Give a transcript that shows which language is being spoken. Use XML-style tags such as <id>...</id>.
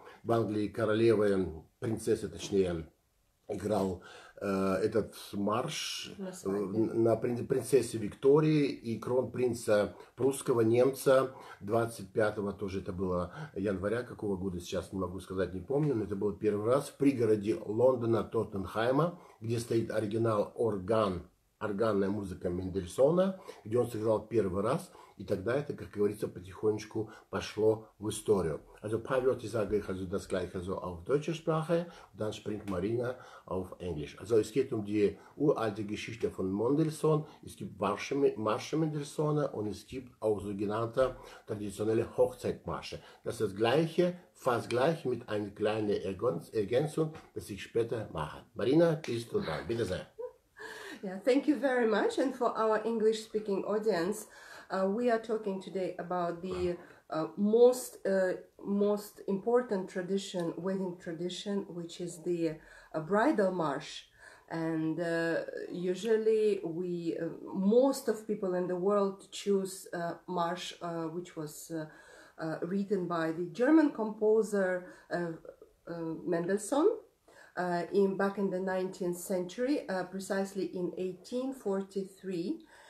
<ru>В Англии королева, принцесса точнее, играл этот марш на принцессе Виктории и кронпринца прусского немца 25-го, тоже это было января, какого года, сейчас не могу сказать, не помню, но это был первый раз в пригороде Лондона Тоттенхайма, где стоит оригинал органная музыка Мендельсона, где он сыграл первый раз, и тогда это, как говорится, потихонечку пошло в историю.</ru> <de>Also, Pavel, ich sage euch also das gleiche so auf deutscher Sprache, dann springt Marina auf Englisch. Also, es geht um die uralte Geschichte von Mendelssohn, es gibt Marsche Mendelssohna und es gibt auch sogenannte traditionelle Hochzeitmarsche. Das ist das gleiche, fast gleich mit einer kleinen Ergänzung, das ich später mache. Marina, bist du da? Bitte sehr.</de> <en>Yeah, thank you very much. And for our English speaking audience, we are talking today about the most important tradition, wedding tradition, which is the bridal march. And usually we, most of people in the world choose Marsch, which was written by the German composer Mendelssohn in back in the 19th century, precisely in 1843.</en>